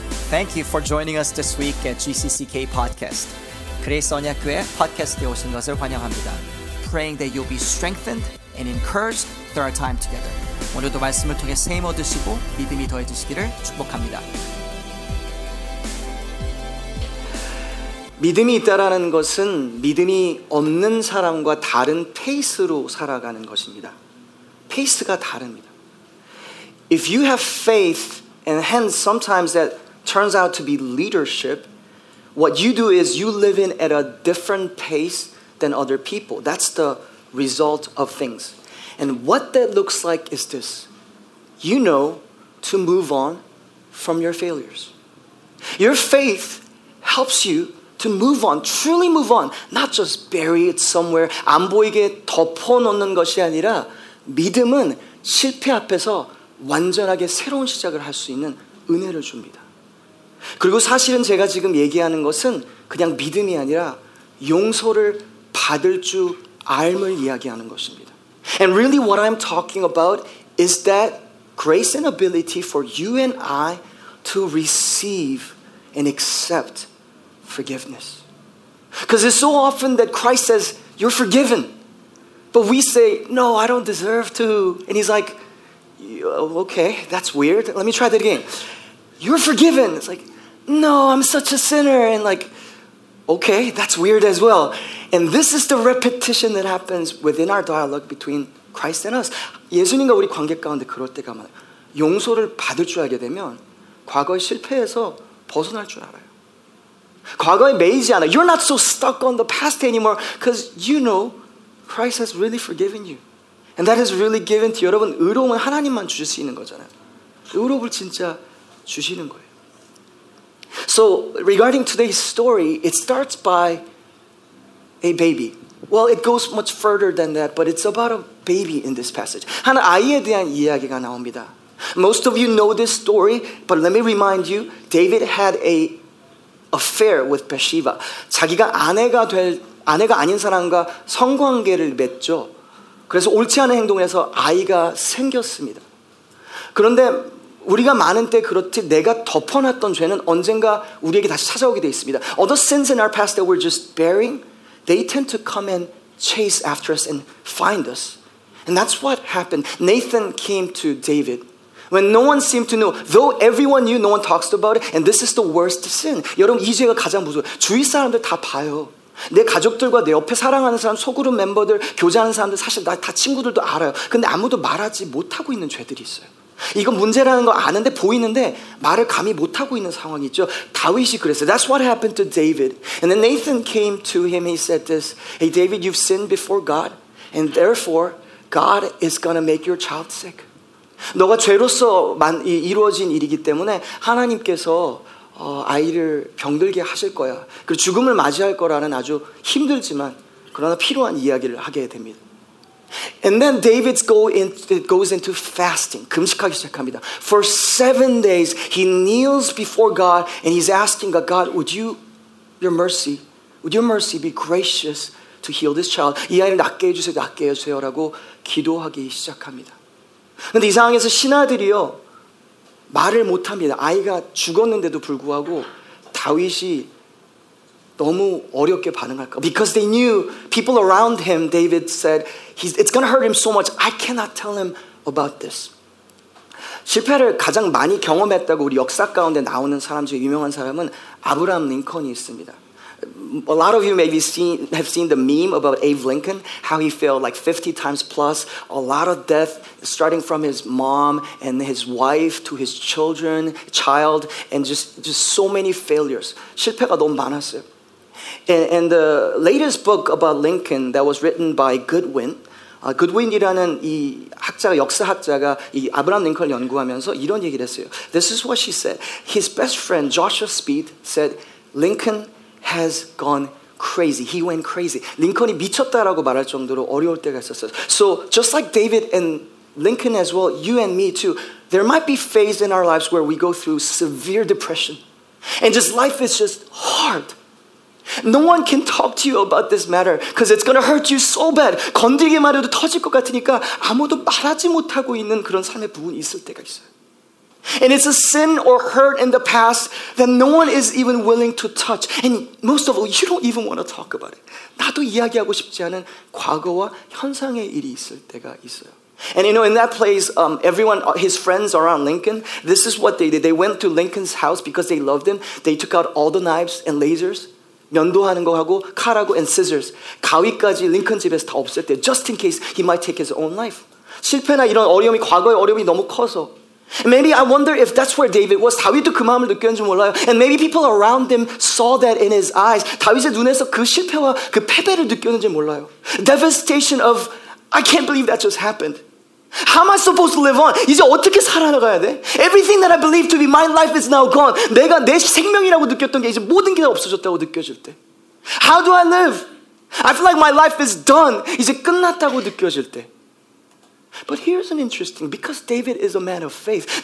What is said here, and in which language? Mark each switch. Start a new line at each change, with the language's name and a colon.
English: Thank you for joining us this week at GCCK Podcast.
Korean: 그레이스 언약교회 팟캐스트에 오신 것을 환영합니다.
English: Praying that you'll be strengthened and encouraged through our time together.
Korean: 오늘도 말씀을 통해 세임 얻으시고 믿음이 더해지시기를 축복합니다. 믿음이 있다라는 것은 믿음이 없는 사람과 다른 페이스로 살아가는 것입니다. 페이스가 다릅니다.
English: If you have faith, and hence sometimes that turns out to be leadership, what you do is you live in at a different pace than other people. That's the result of things. And what that looks like is this. You know to move on from your failures. Your faith helps you to move on, truly move on, not just bury it somewhere,
Korean: 안 보이게 덮어놓는 것이 아니라 믿음은 실패 앞에서 완전하게 새로운 시작을 할 수 있는 은혜를 줍니다. 그리고 사실은 제가 지금 얘기하는 것은 그냥 믿음이 아니라 용서를 받을 줄 알음을 이야기하는 것입니다.
English: And really what I'm talking about is that grace and ability for you and I to receive and accept forgiveness. Because it's so often that Christ says, you're forgiven. But we say, no, I don't deserve to. And he's like, okay, that's weird. Let me try that again. You're forgiven. It's like, no, I'm such a sinner. And like, okay, that's weird as well. And this is the repetition that happens within our dialogue between Christ and us.
Korean: 예수님과 우리 관계 가운데 그럴 때가 많아요. 용서를 받을 줄 알게 되면 과거의 실패에서 벗어날 줄 알아요. 과거에 매이지 않아.
English: You're not so stuck on the past anymore because you know Christ has really forgiven you. And that is really given to you.
Korean: 여러분, 의로움은 하나님만 주실 수 있는 거잖아요. 의로움을 진짜 주시는 거예요.
English: So regarding today's story, it starts by a baby. Well, it goes much further than that, but it's about a baby in this passage.
Korean: 한 아이에 대한 이야기가 나옵니다.
English: Most of you know this story, but let me remind you, David had a affair with Bathsheba.
Korean: 자기가 아내가 아닌 사람과 성관계를 맺죠. 그래서 옳지 않은 행동에서 아이가 생겼습니다. 그런데 우리가 많은 때 그렇듯 내가 덮어놨던 죄는 언젠가 우리에게 다시 찾아오게 돼 있습니다.
English: Other sins in our past that we're just bearing, they tend to come and chase after us and find us. And that's what happened. Nathan came to David. When no one seemed to know, though everyone knew, no one talks about it, and this is the worst sin.
Korean: 여러분, 이 죄가 가장 무서워요. 주위 사람들 다 봐요. 내 가족들과 내 옆에 사랑하는 사람, 소그룹 멤버들, 교제하는 사람들, 사실 나 다 친구들도 알아요. 근데 아무도 말하지 못하고 있는 죄들이 있어요. 이건 문제라는 거 아는데 보이는데 말을 감히 못하고 있는 상황이죠. 다윗이 그랬어요.
English: That's what happened to David. And then Nathan came to him. He said this. Hey, David, you've sinned before God. And therefore, God is going to make your child sick.
Korean: 너가 죄로서 이루어진 일이기 때문에 하나님께서 아이를 병들게 하실 거야. 그리고 죽음을 맞이할 거라는 아주 힘들지만 그러나 필요한 이야기를 하게 됩니다.
English: And then David goes into fasting.
Korean: 금식하기 시작합니다.
English: For 7 days, he kneels before God and he's asking God, God, would your mercy be gracious to heal this child?
Korean: 이 아이를 낫게 해주세요, 낫게 해주세요라고 기도하기 시작합니다. 근데 이 상황에서 신하들이요, 말을 못합니다. 아이가 죽었는데도 불구하고 다윗이 너무 어렵게 반응할까.
English: Because they knew people around him, David said, it's going to hurt him so much. I cannot tell him about this.
Korean: 실패를 가장 많이 경험했다고 우리 역사 가운데 나오는 사람 중에 유명한 사람은 아브라함 링컨이 있습니다.
English: A lot of you maybe have seen the meme about Abe Lincoln, how he failed like 50 times plus, a lot of death, starting from his mom and his wife to his child, and just so many failures.
Korean: 실패가 너무 많았어요.
English: And the latest book about Lincoln that was written by Goodwin,
Korean: Goodwin이라는 이 학자가 역사학자가 이 아브라함 링컨을 연구하면서 이런 얘기를 했어요.
English: This is what she said. His best friend Joshua Speed said, Lincoln has gone crazy. He went crazy.
Korean: 링컨이 미쳤다라고 말할 정도로 어려울 때가 있었어요.
English: So just like David and Lincoln as well, you and me too, there might be phases in our lives where we go through severe depression. And just life is just hard. No one can talk to you about this matter because it's going to hurt you so bad.
Korean: 건드리게 말해도 터질 것 같으니까 아무도 말하지 못하고 있는 그런 삶의 부분이 있을 때가 있어요.
English: And it's a sin or hurt in the past that no one is even willing to touch. And most of all, you don't even want to talk about it.
Korean: 나도 이야기하고 싶지 않은 과거와 현상의 일이 있을 때가 있어요.
English: And you know, in that place, everyone, his friends around Lincoln, this is what they did. They went to Lincoln's house because they loved him. They took out all the knives and lasers.
Korean: 면도하는 거하고 칼하고
English: and scissors.
Korean: 가위까지 링컨 집에서 다 없앨 때
English: just in case he might take his own life.
Korean: 실패나 이런 어려움이 과거의 어려움이 너무 커서
English: maybe I wonder if that's where David was.
Korean: 다윗도 그 마음을 느꼈는지 몰라요.
English: And maybe people around him saw that in his eyes.
Korean: 다윗의 눈에서 그 실패와 그 패배를 느꼈는지 몰라요.
English: Devastation of I can't believe that just happened. How am I supposed to live on?
Korean: 이제 어떻게 살아나가야 돼?
English: Everything that I believed to be my life is now gone.
Korean: 내가 내 생명이라고 느꼈던 게 이제 모든 게 다 없어졌다고 느껴질 때.
English: How do I live? I feel like my life is done.
Korean: 이제 끝났다고 느껴질 때.
English: But here's an interesting, because David is a man of faith.